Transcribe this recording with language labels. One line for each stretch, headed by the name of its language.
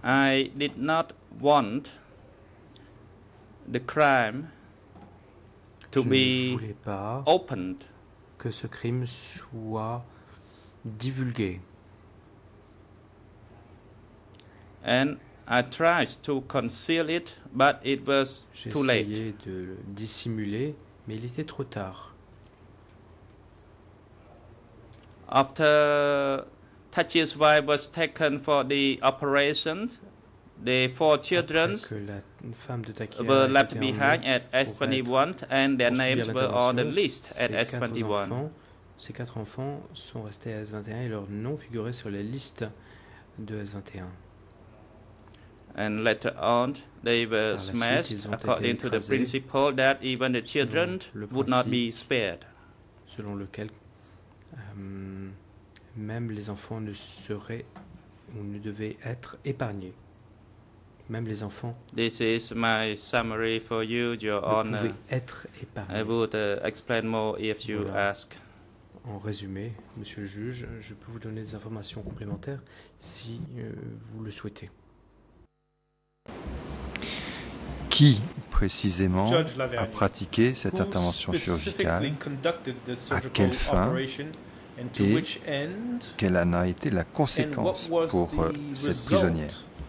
English: I did not want the crime to be opened,
French: que ce crime soit divulgué.
English: And I tried to conceal it, but it was too late.
French: J'essayais de le dissimuler, mais il était trop tard.
English: After Takir's wife was taken for the operation, the four children were left behind at S21, and their names were on the list at S21.
French: Ces quatre enfants sont restés à S21 et leurs noms figuraient sur la liste de S21.
English: And later on, they were smashed according to the principle that even the children would not be spared.
French: Selon lequel même les enfants ne seraient ou ne devaient être épargnés. Même les enfants.
English: This is my summary for you, Your Honor.
French: Ne pouvaient être épargnés.
English: I would explain more if you ask.
French: En résumé, Monsieur le juge, je peux vous donner des informations complémentaires si vous le souhaitez. Qui précisément a pratiqué cette intervention chirurgicale, à quelle fin et quelle en a été la conséquence pour cette prisonnière?